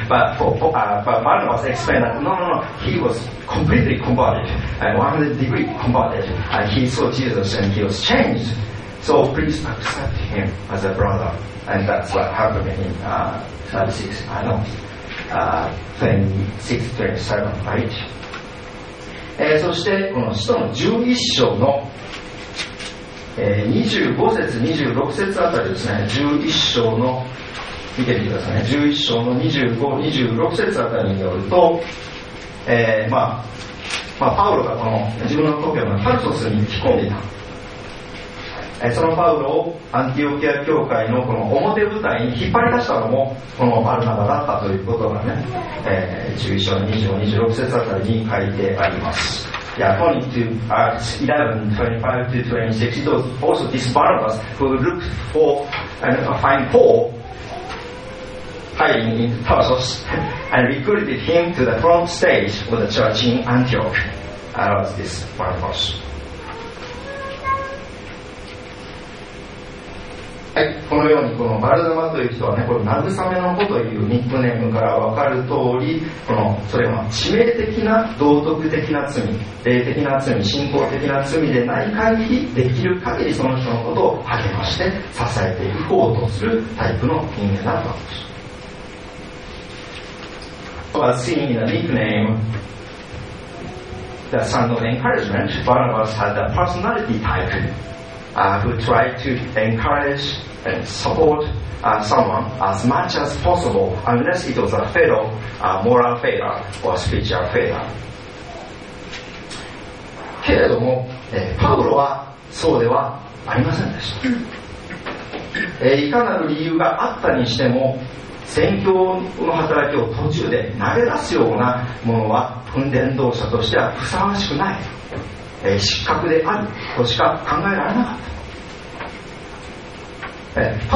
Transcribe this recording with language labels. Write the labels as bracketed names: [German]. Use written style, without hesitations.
[English] But Barnabas explained that no, he was completely converted, and 100 degree converted, and he saw Jesus and he was changed. So please accept him as a brother, and that's what happened in 26:27, right? [Japanese] そしてこの使徒の11章の25節26節あたりですね、11章の見てみてくださいね、11章の25、26節あたりによると、パウロがこの自分の故郷のタルソスに引き込んでいた。そのパウロをアンティオキア教会のこの表舞台に引っ張り出したのもこのバルナバだったということがね、11章の25、26節あたりに書いてあります。 [English] According to Acts 11:25-26, it was also this Barnabas who looked for and find Paul hiding in Tarsus and recruited him to the front stage of the church in Antioch. That was this Barnabas. [Japanese] このようにこのバルナバという人はね、これ慰めの子というニックネームから分かる通り、このそれは致命的な道徳的な罪、霊的な罪、信仰的な罪でない限り、できる限りその人のことを励まして支えていこうとするタイプの人間だったんです。 [English] So as seen in the nickname, the son of encouragement, Barnabas had the personality type who tried to encourageand support someone as much as possible unless it was a fatal moral failure or spiritual failure. [Japanese] けれども、パウロはそうではありませんでした。いかなる理由があったにしても、宣教の働きを途中で投げ出すようなものは訓練導者としてはふさわしくない、失格であるとしか考えられなかった。